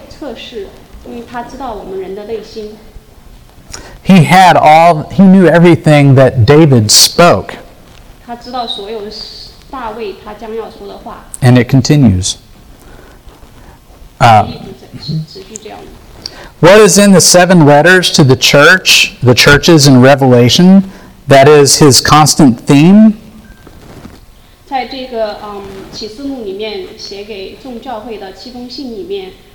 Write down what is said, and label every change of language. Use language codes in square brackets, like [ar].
[zh] 到底是什么让耶稣能够成为这么一个奇妙的一个保惠师，一个测试，因为他知道我们人的内心。 [en] He had all. He knew everything that David spoke. [zh] 他知道所有大卫他将要说的话。 [en] And it continues. What is in the seven letters to the church, the churches in Revelation, that is his constant theme? [zh] 在这个启示录里面写给众教会的七封信里面。